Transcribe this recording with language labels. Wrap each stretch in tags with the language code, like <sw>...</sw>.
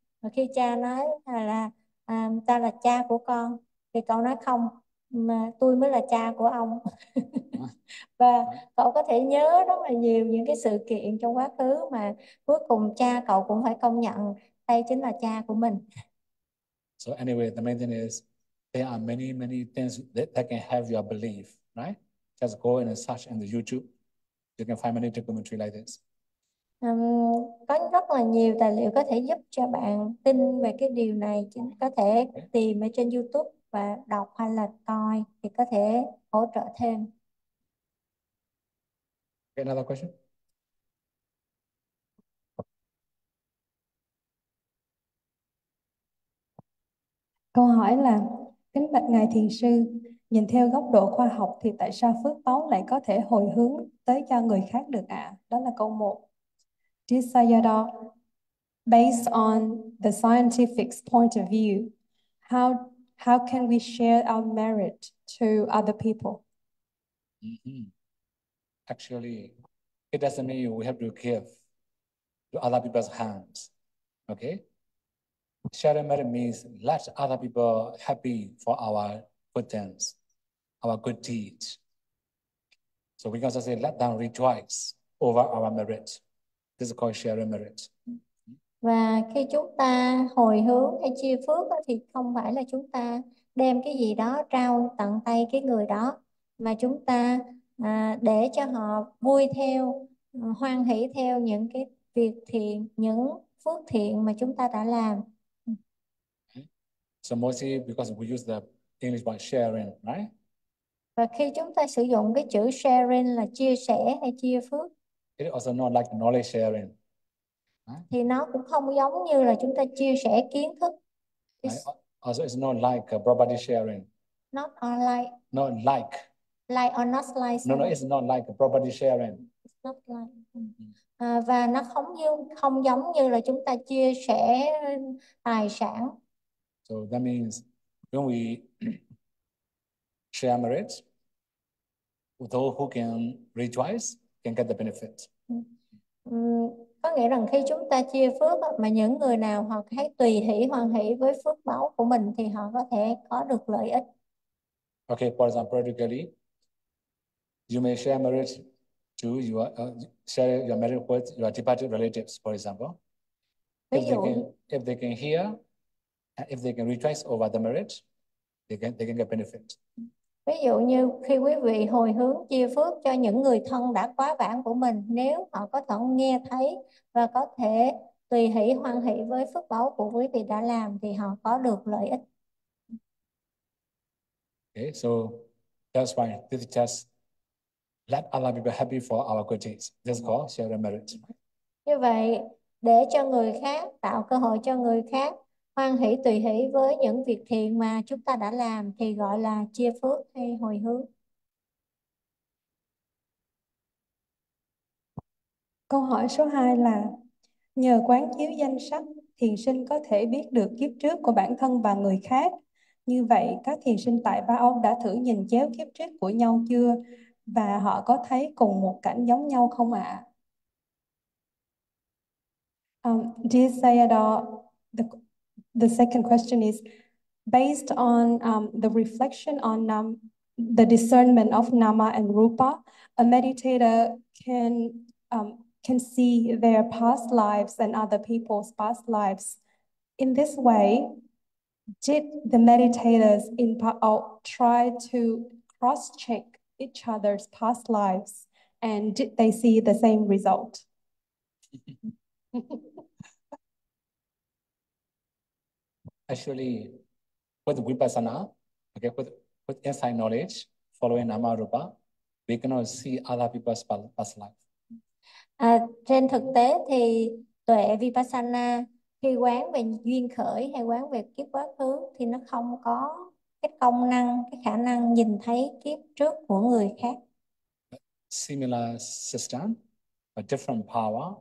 <vi>Và khi cha nói là ta là cha của con thì cậu nói không, mà tôi mới là cha của ông. Và cậu có thể nhớ rất là nhiều những cái sự kiện trong quá khứ mà cuối cùng cha cậu cũng phải công nhận đây chính là cha của mình.</vi> <en>So anyway, the main thing is there are many, many things that can have your belief, right? Just go and search in the YouTube. You can find many documentary like this.</en> <vi>Có rất là nhiều tài liệu có thể giúp cho bạn tin về cái điều này, có thể tìm ở trên YouTube và đọc hay là coi thì có thể hỗ trợ thêm.</vi> <en>Another question?</en> <vi>Câu hỏi là kính bạch ngài thiền sư, nhìn theo góc độ khoa học thì tại sao phước báo lại có thể hồi hướng tới cho người khác được ạ? À? Đó là câu 1.</vi> <en>Desayada, based on the scientific's point of view, how can we share our merit to other people? Actually, it doesn't mean we have to give to other people's hands. Okay? Sharing merit means let other people happy for our good things, our good deeds. So we can also say let them rejoice over our merit. This is called sharing merit.</en> <vi>Và khi chúng ta hồi hướng hay chia phước đó, thì không phải là chúng ta đem cái gì đó trao tận tay cái người đó, mà chúng ta để cho họ vui theo, hoan hỷ theo những cái việc thiện, những phước thiện mà chúng ta đã làm.</vi> <en>So mostly because we use the English by sharing, right?</en> <vi>Và khi chúng ta sử dụng cái chữ sharing là chia sẻ hay chia phước</vi> <en>It is also not like knowledge sharing.</en> <vi>thì nó cũng không giống như là chúng ta chia sẻ kiến thức.</vi> <en>Also, it's not like property sharing. Not like Not like. or not like No,</en> <vi>sao?</vi> <en>it's not like property sharing. It's not like.</en> <vi>Và nó không giống như là chúng ta chia sẻ tài sản.</vi> <en>So that means when we share merit, those who can rejoice can get the benefit.</en> <vi>Có nghĩa rằng khi chúng ta chia phước mà những người nào họ thấy tùy hỷ hoan hỷ với phước báu của mình thì họ có thể có được lợi ích.</vi> <en>Okay, for example, practically, you may share merit to your share your merit with your departed relatives, for example,</en> <vi>Ví dụ</vi> <en>if they can hear. If they can rejoice over the marriage, they can get benefit.</en> <vi>như khi quý vị hồi hướng chia phước cho những người thân đã quá vãng của mình, nếu họ có thể nghe thấy và có thể tùy hỷ hoan hỷ với phước báu của quý vị đã làm thì họ có được lợi ích.</vi> <en>Okay, so that's why this is just let other people happy for our good deeds. This is called share the marriage.</en> <vi>Như vậy, để cho người khác, tạo cơ hội cho người khác hoan hỷ tùy hỷ với những việc thiện mà chúng ta đã làm thì gọi là chia phước hay hồi hướng. Câu hỏi số 2 là nhờ quán chiếu danh sắc, thiền sinh có thể biết được kiếp trước của bản thân và người khác. Như vậy, các thiền sinh tại Ba Ông đã thử nhìn chéo kiếp trước của nhau chưa? Và họ có thấy cùng một cảnh giống nhau không ạ?</vi> <en>The second question is based on the reflection on the discernment of nama and rupa. A meditator can see their past lives and other people's past lives. In this way, did the meditators in Pa'o try to cross-check each other's past lives, and did they see the same result? Actually, with vipassana, okay, with inside knowledge, following nama rupa, we cannot see other people's past life.</en> <vi>Trên thực tế thì tuệ vipassana khi quán về duyên khởi hay quán về kiếp quá khứ thì nó không có cái công năng, cái khả năng nhìn thấy kiếp trước của người khác.</vi> <en>Similar system, a different power.</en>